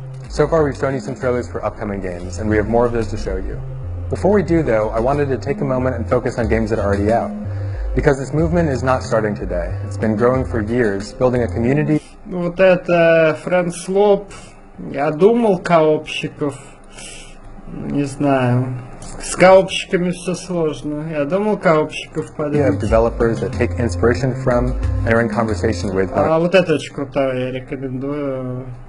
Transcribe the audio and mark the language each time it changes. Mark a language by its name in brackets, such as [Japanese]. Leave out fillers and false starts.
[English] So far we've shown you some trailers for upcoming games, and we have more of those to show you. Before we do though, I wanted to take a moment and focus on games that are already out. Because this movement is not starting today. It's been growing for years, building a community. [Russian] Вот это Friends Loop. Я думал коопщиков. Не знаю. С коопщиками все сложно. Я думал коопщиков подать. [English] We have developers that take inspiration from and are in conversation with. [Russian] А вот это очень круто, я рекомендую.